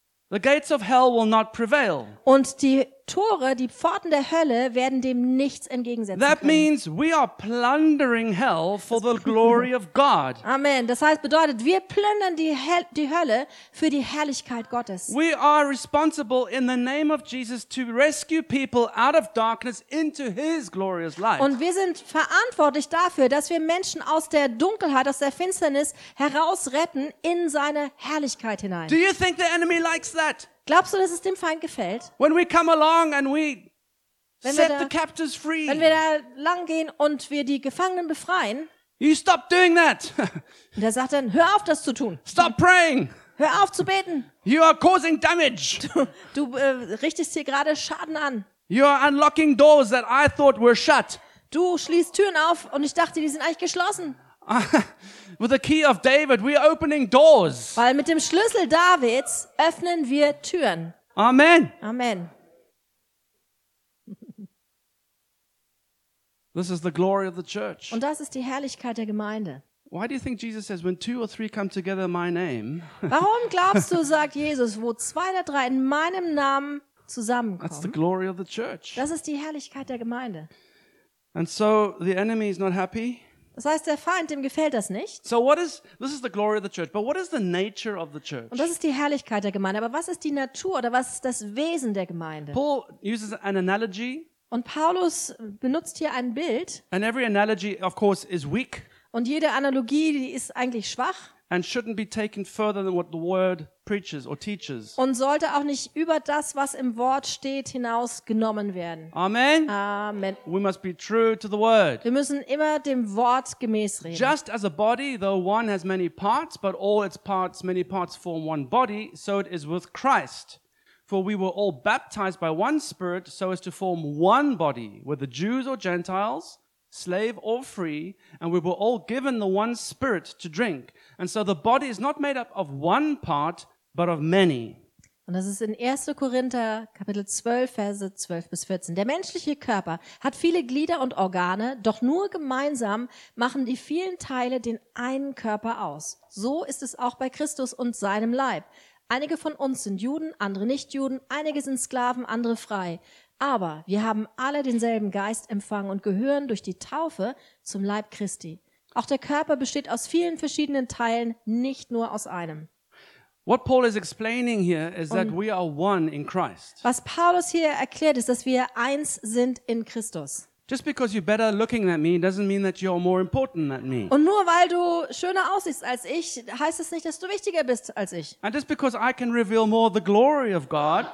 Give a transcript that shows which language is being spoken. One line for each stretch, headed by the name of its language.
English: The gates of hell will not prevail.
German: Und die Tore, die Pforten der Hölle werden dem nichts entgegensetzen
English: That
German: können.
English: Means we are plundering hell for the glory of God. Amen.
German: Das heißt, bedeutet, wir plündern die Hölle für die Herrlichkeit Gottes.
English: We are responsible in the name of Jesus to rescue people out of darkness into his glorious light.
German: Und wir sind verantwortlich dafür, dass wir Menschen aus der Dunkelheit, aus der Finsternis herausretten in seine Herrlichkeit hinein.
English: Do you think the enemy likes that?
German: Glaubst du, dass es dem Feind gefällt?
English: When we come along and we
German: wenn
English: set the captives free.
German: Wenn wir da lang gehen und wir die Gefangenen befreien.
English: You stop doing that.
German: Und er sagt dann, hör auf, das zu tun.
English: Stop praying.
German: Hör auf zu beten.
English: You are causing damage.
German: Du richtest hier gerade Schaden an.
English: You are unlocking doors that I thought were shut.
German: Du schließt Türen auf und ich dachte, die sind eigentlich geschlossen.
English: With the key of David, we are opening doors.
German: Weil mit dem Schlüssel Davids öffnen wir Türen.
English: Amen.
German: Amen.
English: This is the glory of the church.
German: Und das ist die Herrlichkeit der Gemeinde.
English: Why do you think Jesus says, when two or three come together in my name?
German: Warum glaubst du, sagt Jesus, wo zwei oder drei in meinem Namen zusammenkommen?
English: That's the glory of the church.
German: Das ist die Herrlichkeit der Gemeinde.
English: And so the enemy is not happy.
German: Das heißt, der Feind, dem gefällt das nicht.
English: So what is this is the glory of the church, but what is the nature of the church?
German: Und das ist die Herrlichkeit der Gemeinde, aber was ist die Natur oder was ist das Wesen der Gemeinde?
English: Paul uses an analogy.
German: Und Paulus benutzt hier ein Bild.
English: And every analogy of course is weak.
German: Und jede Analogie, die ist eigentlich schwach.
English: And shouldn't be taken further than what the word preaches or teaches.
German: Und sollte auch nicht über das, was im Wort steht, hinaus genommen werden.
English: Amen.
German: Amen.
English: We must be true to the word.
German: Wir müssen immer dem Wort gemäß reden.
English: Just as a body, though one has many parts, but all its parts, many parts form one body, so it is with Christ. For we were all baptized by one spirit, so as to form one body, whether Jews or Gentiles, slave or free, and we were all given the one spirit to drink. And so the body is not made up of one part, but of many.
German: Und das ist in 1. Korinther, Kapitel 12, Verse 12 bis 14. Der menschliche Körper hat viele Glieder und Organe, doch nur gemeinsam machen die vielen Teile den einen Körper aus. So ist es auch bei Christus und seinem Leib. Einige von uns sind Juden, andere nicht Juden, einige sind Sklaven, andere frei. Aber wir haben alle denselben Geist empfangen und gehören durch die Taufe zum Leib Christi. Auch der Körper besteht aus vielen verschiedenen Teilen, nicht nur aus einem.
English: What Paul is explaining here is that we are one in Christ.
German: Was Paulus hier erklärt, ist, dass wir eins sind in Christus.
English: Just because you're better looking than me doesn't mean that you're more important than me.
German: Und nur weil du schöner aussiehst als ich, heißt das nicht, dass du wichtiger bist als ich.
English: And just because I can reveal more the glory of God.